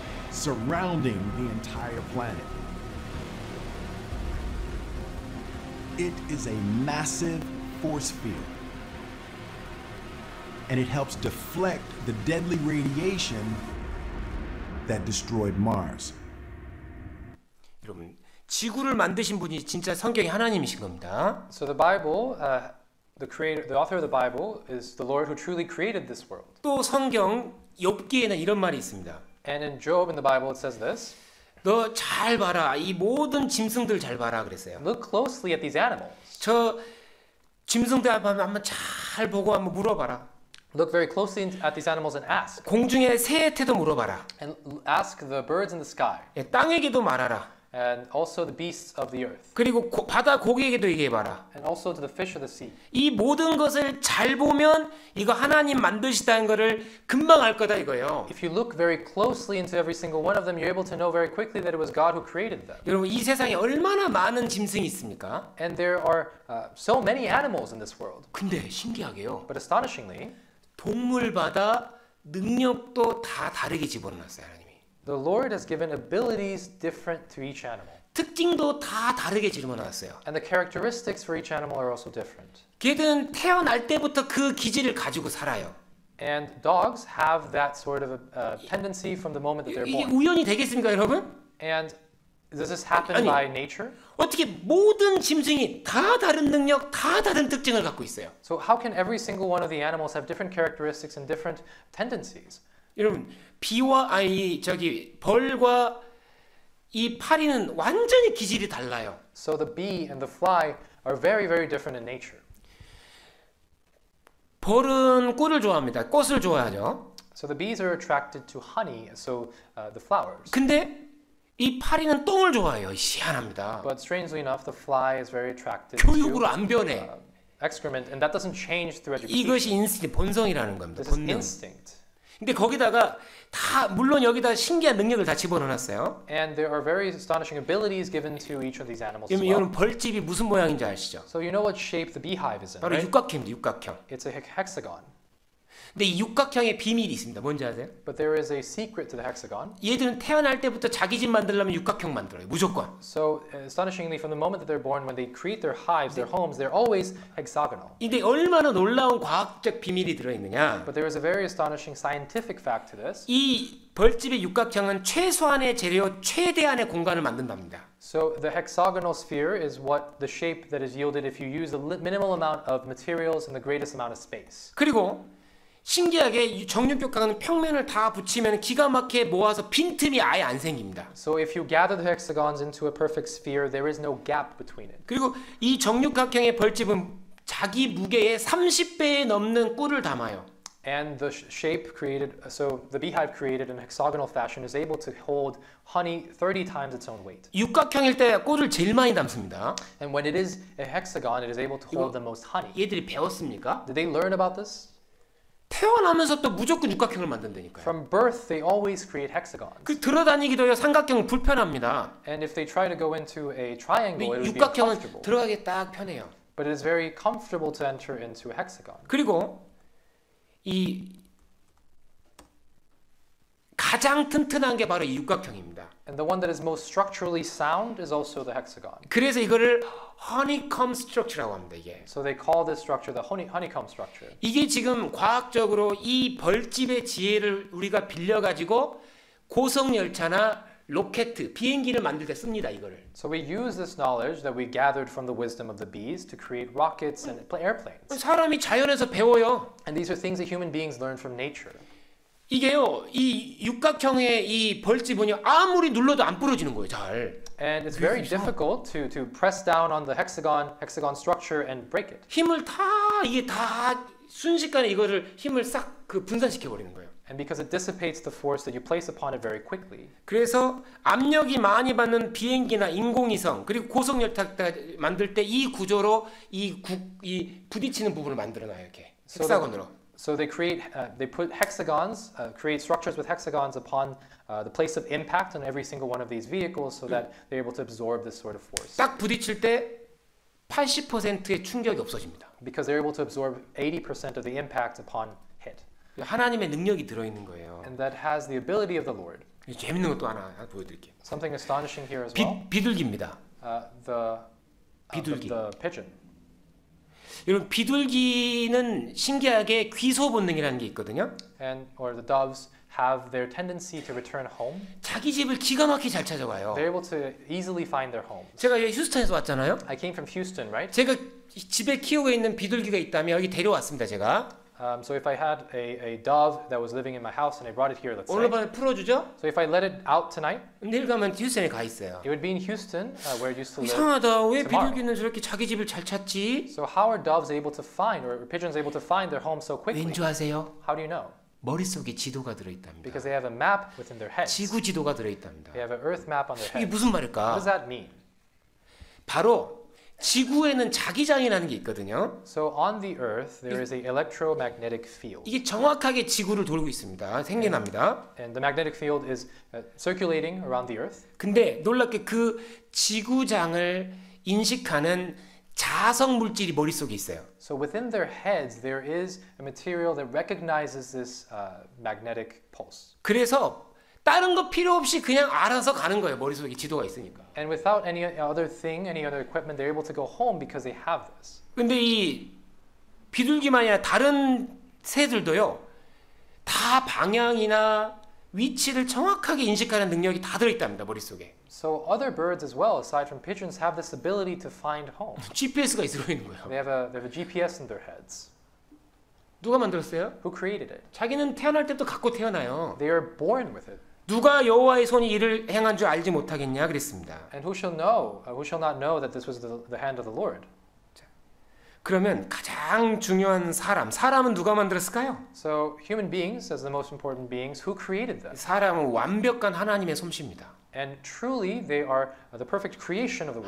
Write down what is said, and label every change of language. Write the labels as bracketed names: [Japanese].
[English] Surrounding the entire planet. It is a massive force field. And it helps deflect the deadly radiation that destroyed Mars. [Korean] 여러분, 지구를 만드신 분이 진짜 성경의 하나님이신 겁니다. [English] So the Bible, the creator, the author of the Bible is the Lord who truly created this world. [Korean] 또 성경 욥기에는 이런 말이 있습니다. [English] And in Job in the Bible it says this. [Korean] 너 잘 봐라. 이 모든 짐승들 잘 봐라 그랬어요. [English] Look closely at these animals. [Korean] 저 짐승들 한번 잘 보고 한번 물어봐라. [English] Look very closely at these animals and ask. [Korean] 공중의 새한테도 물어봐라. [English] And ask the birds in the sky. [Korean] 예, 땅에게도 말하라. [English] And also the beasts of the earth. [Korean] 그리고 바다 고기에게도 얘기해 봐라. [English] And also to the fish of the sea. [Korean] 이 모든 것을 잘 보면 이거 하나님 만드시다는 것을 금방 알 거다 이거예요. [English] If you look very closely into every single one of them, you're able to know very quickly that it was God who created them. [Korean] 여러분 이 세상에 얼마나 많은 짐승이 있습니까? [English] And there are so many animals in this world. [Korean] 근데 신기하게요. [English] But astonishingly, [Korean] 동물마다 능력도 다 다르게 집어넣었어요. [English] The Lord has given abilities different to each animal. [Korean] 특징도 다 다르게 집어넣었어요. [English] And the characteristics for each animal are also different. [Korean] 개는 태어날 때부터 그 기질을 가지고 살아요. [English] And dogs have that sort of a tendency from the moment that they're born. [Korean] 이게 우연이 되겠습니까, 여러분? [English] And does this happen by nature? [Korean] 어떻게 모든 짐승이 다 다른 능력, 다 다른 특징을 갖고 있어요? [English] So how can every single one of the animals have different characteristics and different tendencies? [Korean] 여러분 비와 아이 저기 벌과 이 파리는 완전히 기질이 달라요. [English] So the bee and the fly are very very different in nature. [Korean] 벌은 꿀을 좋아합니다. 꽃을 좋아하죠. [English] So the bees are attracted to honey, so the flowers. [Korean] 근데 이 파리는 똥을 좋아해요. 희한합니다. [English] But strangely enough, the fly is very attracted. [Korean] 교육으로 안 변해. [English] Excrement, and that doesn't change through education. [Korean] 이것이 인스틴 본성이라는 겁니다. [English] This 본능. Instinct. [Korean] 근데 거기다가 다 물론 여기다 신기한 능력을 다 집어넣었어요. [English] And there are very astonishing abilities given to each of these animals. [Korean] 여러분 벌집이 무슨 모양인지 아시죠? [English] So you know what shape the beehive is in? [Korean] 바로 [English] right? [Korean] 육각형입니다. 육각형. [English] It's a hexagon. [Korean] 근데 이 육각형의 비밀이 있습니다. 뭔지 아세요? [English] But there is a secret to the hexagon. [Korean] 얘들은 태어날 때부터 자기 집 만들려면 육각형 만들어요. 무조건. [English] So astonishingly, from the moment that they're born, when they create their hives, their homes, they're always hexagonal. [Korean] 이게 얼마나 놀라운 과학적 비밀이 들어있느냐? [English] But there is a very astonishing scientific fact to this. [Korean] 이 벌집의 육각형은 최소한의 재료, 최대한의 공간을 만든답니다. [English] So the hexagonal sphere is what the shape that is yielded if you use the minimal amount of materials and the greatest amount of space. [Korean] 그리고 신기하게 정육각은 평면을 다 붙이면 기가 막히게 모아서 빈틈이 아예 안 생깁니다. [English] So if you gather the hexagons into a perfect sphere, there is no gap between it. [Korean] 그리고 이 정육각형의 벌집은 자기 무게의 30배에 넘는 꿀을 담아요. [English] And the shape created, so the beehive created in hexagonal fashion is able to hold honey 30 times its own weight. [Korean] 육각형일 때 꿀을 제일 많이 담습니다. [English] And when it is a hexagon, it is able to hold the most honey. [Korean] 얘들이 배웠습니까? [English] Did they learn about this? [Korean] 태어나면서부터 무조건 육각형을 만든다니까요. [English] From birth, they always create hexagons. [Korean] 그 들어다니기도요 삼각형은 불편합니다. [English] And if they try to go into a triangle, it would be [Korean] 육각형은 들어가기 딱 편해요. [English] But it is very comfortable to enter into a hexagon. [Korean] 그리고 이 가장 튼튼한 게 바로 이 육각형입니다. [English] And the one that is most structurally sound is also the hexagon. [Korean] 그래서 이거를 [English] honeycomb structure [Korean] 라고 합니다. 이게. [English] So they call this structure the honeycomb structure. [Korean] 이게 지금 과학적으로 이 벌집의 지혜를 우리가 빌려 가지고 고속 열차나 로켓, 비행기를 만들 때 씁니다, 이거를. [English] So we use this knowledge that we gathered from the wisdom of the bees to create rockets and airplanes. [Korean] 사람이 자연에서 배워요. [English] And these are things that human beings learn from nature. [Korean] 이게요, 이 육각형의 이 벌집은요 아무리 눌러도 안 부러지는 거예요, 잘. [English] And it's very difficult to press down on the hexagon structure and break it. [Korean] 힘을 다 이게 다 순식간에 이거를 힘을 싹 그 분산시켜 버리는 거예요. [English] And because it dissipates the force that you place upon it very quickly. [Korean] 그래서 압력이 많이 받는 비행기나 인공위성 그리고 고속열차 만들 때 이 구조로 이 부딪히는 부분을 만들어놔요, 이렇게 헥사곤으로. [English] So they create, they put hexagons, create structures with hexagons upon the place of impact on every single one of these vehicles so that they're able to absorb this sort of force. [Korean] 딱 부딪힐 때 80%의 충격이 없어집니다. [English] Because they're able to absorb 80% of the impact upon hit. [Korean] 하나님의 능력이 들어있는 거예요. [English] And that has the ability of the Lord. [Korean] 재밌는 것도 하나 보여드릴게요. [English] Something astonishing here as well. [Korean] 비둘기입니다. [English] The 비둘기. The pigeon. [Korean] 이런 비둘기는 신기하게 귀소 본능이라는 게 있거든요. [English] And or the doves have their tendency to return home. [Korean] 자기 집을 기가 막히게 잘 찾아와요. [English] They're able to easily find their home. [Korean] 제가 휴스턴에서 왔잖아요. [English] I came from Houston, right? [Korean] 제가 집에 키우고 있는 비둘기가 있다면 여기 데려왔습니다, 제가. [English] So if I had a dove that was living in my house and I brought it here, let's say. [Korean] 오늘 밤에 풀어주죠? [English] So if I let it out tonight. [Korean] 내일 가면 휴스턴에 가 있어요. [English] It would be in Houston, where it used to live. [Korean] 이상하다. 왜 [English] tomorrow. [Korean] 비둘기는 저렇게 자기 집을 잘 찾지? [English] So how are doves able to find, or pigeons able to find their home so quickly? [Korean] 왠 줄 아세요? [English] How do you know? [Korean] 머릿속에 지도가 들어 있답니다. [English] Because they have a map within their heads. [Korean] 지구 지도가 들어 있답니다. [English] They have an earth map on their heads. [Korean] 이게 무슨 말일까? [English] What does that mean? [Korean] 바로 지구에는 자기장이라는 게 있거든요. [English] So on the earth there is an electromagnetic field. [Korean] 이게 정확하게 지구를 돌고 있습니다. 생겨납니다. [English] And the magnetic field is circulating around the earth. [Korean] 근데 놀랍게 그 지구장을 인식하는 자아성 물질이 머릿속에 있어요. [English] So within their heads there is a material that recognizes this magnetic pulse. [Korean] 그래서 다른 거 필요 없이 그냥 알아서 가는 거예요. 머릿속에 지도가 있으니까. [English] And without any other thing, any other equipment, they're able to go home because they have this. [Korean] 근데 이 비둘기만이 아니라 다른 새들도요. 다 방향이나 위치를 정확하게 인식하는 능력이 다 들어 있답니다. 머릿속에. [English] So other birds as well, aside from pigeons, have this ability to find home. [Korean] GPS가 들어 있는 거예요. [English] They have a GPS in their heads. [Korean] 누가 만들었어요? [English] Who created it? [Korean] 자기는 태어날 때부터 갖고 태어나요. [English] They are born with it. [Korean] 누가 여호와의 손이 이를 행한 줄 알지 못하겠냐 그랬습니다. [English] And who shall know? Who shall not know that this was the hand of the Lord? [Korean] 자, 그러면 가장 중요한 사람, 사람은 누가 만들었을까요? [English] So human beings as the most important beings, who created them? [Korean] 사람은 완벽한 하나님의 솜씨입니다. [English] And truly they are the perfect creation of the Lord.